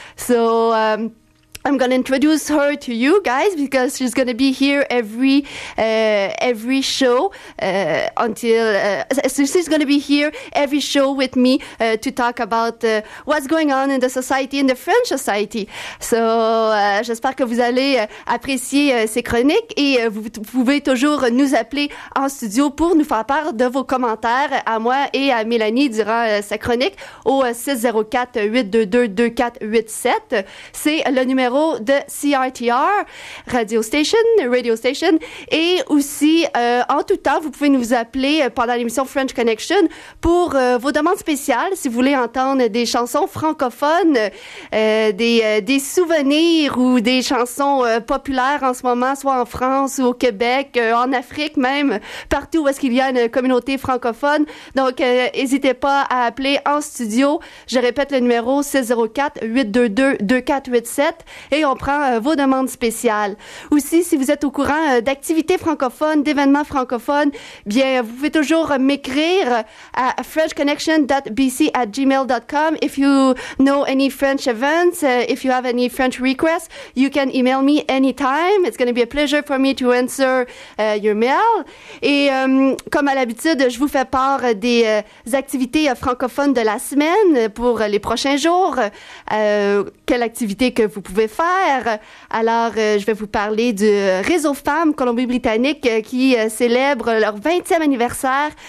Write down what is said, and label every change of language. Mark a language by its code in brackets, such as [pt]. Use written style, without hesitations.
[en] So I'm going to introduce her to you guys because she's going to be here every show until she's going to be here every show with me to talk about what's going on in the society, in the French society. [fr] So j'espère que vous allez apprécier ces chroniques et vous pouvez toujours nous appeler en studio pour nous faire part de vos commentaires à moi et à Mélanie durant sa chronique au 604-822-2487. C'est le numéro de CITR, radio station, et aussi en tout temps, vous pouvez nous appeler pendant l'émission French Connection pour vos demandes spéciales, si vous voulez entendre des chansons francophones, des souvenirs ou des chansons populaires en ce moment, soit en France ou au Québec, en Afrique même, partout où est-ce qu'il y a une communauté francophone. Donc, n'hésitez pas à appeler en studio. Je répète le numéro 604-822-2487. Et on prend vos demandes spéciales. Aussi, si vous êtes au courant d'activités francophones, d'événements francophones, bien, vous pouvez toujours m'écrire à frenchconnection.bc@gmail.com. [en] If you know any French events, if you have any French requests, you can email me anytime. It's going to be a pleasure for me to answer your mail. [fr] Et comme à l'habitude, je vous fais part des activités francophones de la semaine pour les prochains jours. Quelle activité que vous pouvez faire? Alors, je vais vous parler du Réseau Femmes Colombie-Britannique qui célèbre leur 20e anniversaire.